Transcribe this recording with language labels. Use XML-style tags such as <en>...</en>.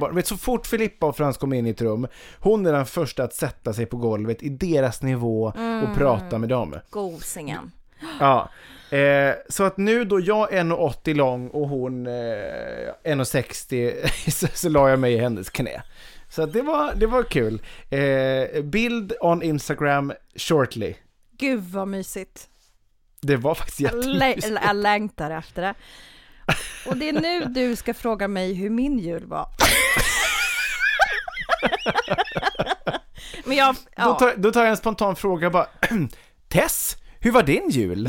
<sv>Bara, vet, så fort Filippa och Frans kom in i ett rum, hon är den första att sätta sig på golvet i deras nivå och prata med dem. Gosingen. Ja. Så att nu då jag är 1,80 lång och hon 1,60, så la jag mig i hennes knä. Så att det var kul.</sv> <en>Bild on Instagram shortly.</en> <sv>Gud vad mysigt. Det var faktiskt jättemysigt. Jag längtar efter det. Och det är nu du ska fråga mig hur min jul var. Men då tar jag en spontan fråga bara. Tess, hur var din jul?</sv>